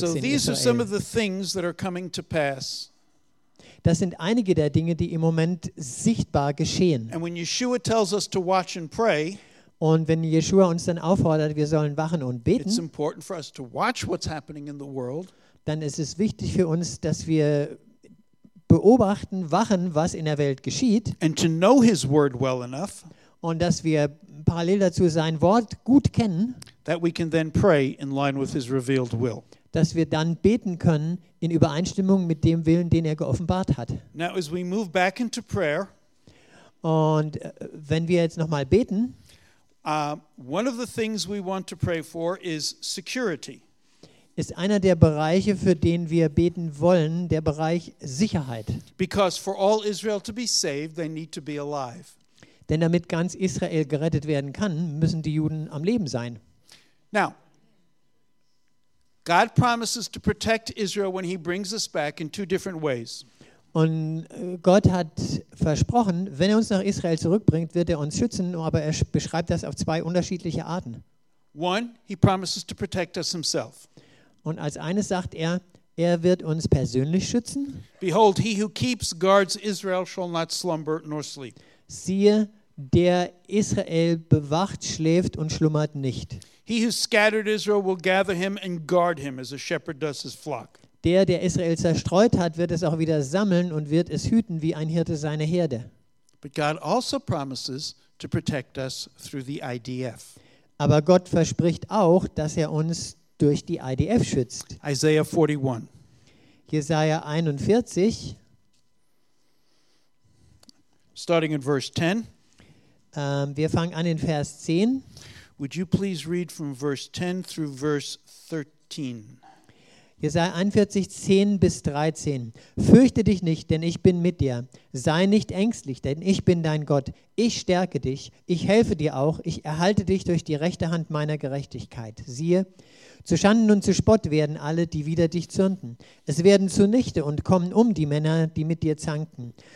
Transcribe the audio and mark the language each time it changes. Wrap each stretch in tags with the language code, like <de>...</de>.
<en>so in these Israel. Are some of the things that are coming to pass.</en> <de>Das sind einige der Dinge, die im Moment sichtbar geschehen.</de> <en>And when Yeshua tells us to watch and pray,</en> <de>und wenn Yeshua uns dann auffordert, wir sollen wachen und beten,</de> <en>it's important for us to watch what's happening in the world,</en> <de>dann ist es wichtig für uns, dass wir beobachten, wachen, was in der Welt geschieht,</de> <en>and to know his word well enough,</en> <de>und dass wir parallel dazu sein Wort gut kennen,</de> <en>that we can then pray in line with his revealed will.</en> <de>Dass wir dann beten können in Übereinstimmung mit dem Willen, den er geoffenbart hat.</de> <en>Now, as we move back into prayer,</en> <de>und wenn wir jetzt nochmal beten,</de> <en>one of the things we want to pray for is security.</en> <de>Ist einer der Bereiche, für den wir beten wollen, der Bereich Sicherheit.</de> <en>Because for all Israel to be saved, they need to be alive.</en> <de>Denn damit ganz Israel gerettet werden kann, müssen die Juden am Leben sein.</de> <en>Now, God promises to protect Israel when he brings us back in two different ways.</en> <de>Und Gott hat versprochen, wenn er uns nach Israel zurückbringt, wird er uns schützen, aber er beschreibt das auf zwei unterschiedliche Arten.</de> <en>One, he promises to protect us himself.</en> <de>Und als eines sagt er, er wird uns persönlich schützen.</de> <en>Behold, he who keeps guards Israel shall not slumber nor sleep.</en> <de>Siehe, der Israel bewacht, schläft und schlummert nicht.</de> <en>He who scattered Israel will gather him and guard him as a shepherd does his flock.</en> <de>Der Israel zerstreut hat, wird es auch wieder sammeln und wird es hüten wie ein Hirte seine Herde.</de> <en>But God also promises to protect us through the IDF.</en> <de>Aber Gott verspricht auch, dass er uns durch die IDF schützt.</de> <en>Isaiah 41.</en> <de>Jesaja 41.</de> <en>Starting in verse 10.</en> <de>Wir fangen an in Vers 10.</de> <en>Would you please read from verse 10 through verse 13?</en> <de>Jesaja 41, 10 bis 13. Fürchte dich nicht, denn ich bin mit dir. Sei nicht ängstlich, denn ich bin dein Gott. Ich stärke dich, ich helfe dir auch, ich erhalte dich durch die rechte Hand meiner Gerechtigkeit. Siehe, zu Schanden und zu Spott werden alle, die wider dich zürnten. Es werden zunichte und kommen um die Männer, die mit dir zankten.</de>